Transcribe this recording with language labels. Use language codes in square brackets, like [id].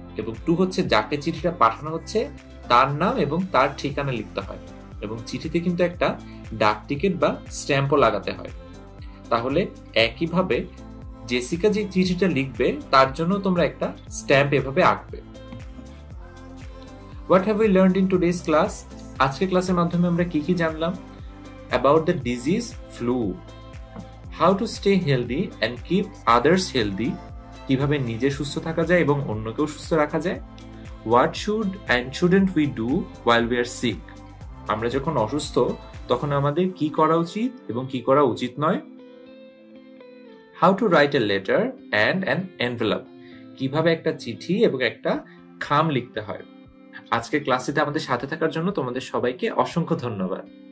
[bn] এবং টু হচ্ছে যাকে চিঠিটা পাঠানো হচ্ছে তার নাম এবং তার ঠিকানা লিখতে হয়, এবং চিঠিতে কিন্তু একটা ডাক টিকিট বা স্ট্যাম্পও লাগাতে হয়। তাহলে একইভাবে জেসিকা যে চিঠিটা লিখবে তার জন্য তোমরা একটা স্ট্যাম্প এভাবে আঁকবে। [en] What have we learned in today's class? [bn] আজকে ক্লাসের মাধ্যমে আমরা কি কি জানলাম? [en] About the disease flu. How to stay healthy and keep others healthy? [bn] কিভাবে নিজে সুস্থ থাকা যায় এবং অন্যকেও সুস্থ রাখা যায়? [en] What should and shouldn't we do while we are sick? [bn] আমরা যখন অসুস্থ তখন আমাদের কি করা উচিত এবং কি করা উচিত নয়? [en] How to write a letter and an envelope? [bn] কিভাবে একটা চিঠি এবং একটা খাম লিখতে হয়? আজকের ক্লাসটিতে আমাদের সাথে থাকার জন্য তোমাদের সবাইকে অসংখ্য ধন্যবাদ।